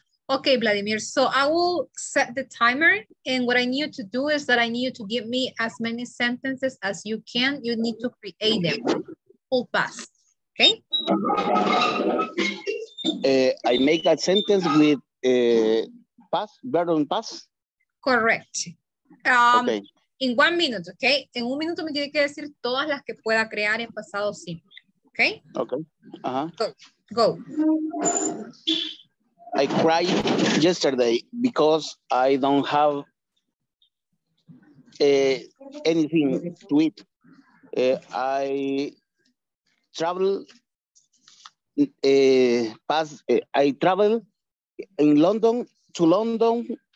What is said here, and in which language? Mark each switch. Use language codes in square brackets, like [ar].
[en] Okay, Vladimir, so I will set the timer, and what I need to do is that I need you to give me as many sentences as you can. You need to create them full fast, okay? I make a sentence with past, verb on past? Correct. Okay. En 1 minute, okay? [es] En 1 minuto me tiene que decir todas las que pueda crear en pasado simple, okay? [en] Okay. Go. I cried yesterday because I don't have anything to eat. I traveled to London.